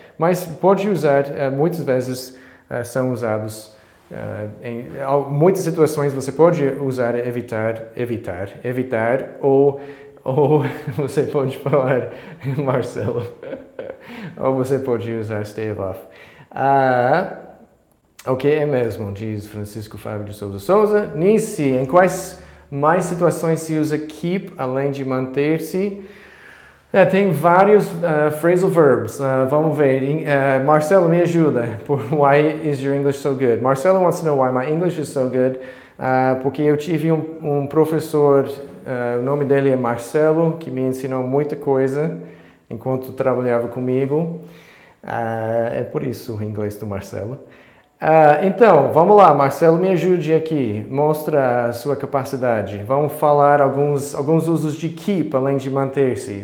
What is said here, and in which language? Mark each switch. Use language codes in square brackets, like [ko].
[pt] Mas pode usar, muitas vezes são usados, em muitas situações você pode usar evitar ou você pode falar Marcelo, ou você pode usar stave off. O que é mesmo, diz Francisco Fábio de Souza Souza. Nisse, em quais mais situações se usa keep, além de manter-se? É, tem vários phrasal verbs. Vamos ver. Marcelo, me ajuda. [en] Why is your English so good? Marcelo wants to know why my English is so good. [pt] Porque eu tive um professor, o nome dele é Marcelo, que me ensinou muita coisa enquanto trabalhava comigo. É por isso o inglês do Marcelo. Então, vamos lá, Marcelo, me ajude aqui. Mostra a sua capacidade. Vamos falar alguns usos de keep, além de manter-se.